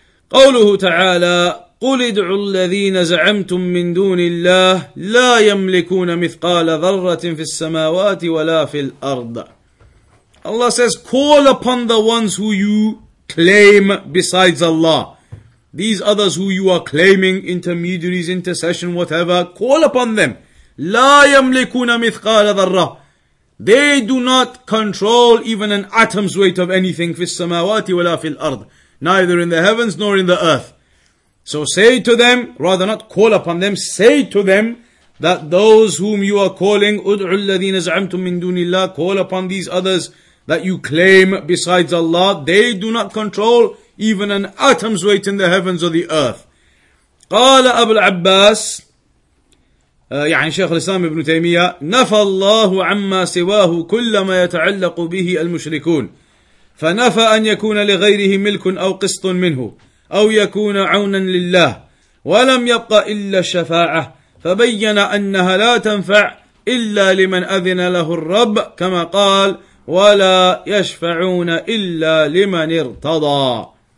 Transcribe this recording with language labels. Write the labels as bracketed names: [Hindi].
[Arabic] قوله تعالى قل ادعوا الذين زعمتم من دون الله لا يملكون مثقال ذرة في السماوات ولا في الأرض. [English] Allah says, call upon the ones who you claim besides Allah. These others who you are claiming, intermediaries, intercession, whatever, call upon them. [Arabic] لا يملكون مثقال ذرة. [English] They do not control even an atom's weight of anything [Arabic] في السماوات ولا في الأرض. [English] Neither in the heavens nor in the earth. So say to them, rather not call upon them, say to them that those whom you are calling, [Arabic] ادعوا الذين زعمتم من دون الله, [English] call upon these others that you claim besides Allah, they do not control even an atom's weight in the heavens or the earth. [Arabic] قال أبو العباس, يعني شيخ الإسلام ابن تيمية, نفى الله عما سواه كل ما يتعلق به المشركون فنفى أن يكون لغيره ملك أو قسط منه أو يكون عونا لله ولم يبق إلا الشفاعة فبين أنها لا تنفع إلا لمن أذن له الرب كما قال ولا يشفعون إلا لمن ارتضى.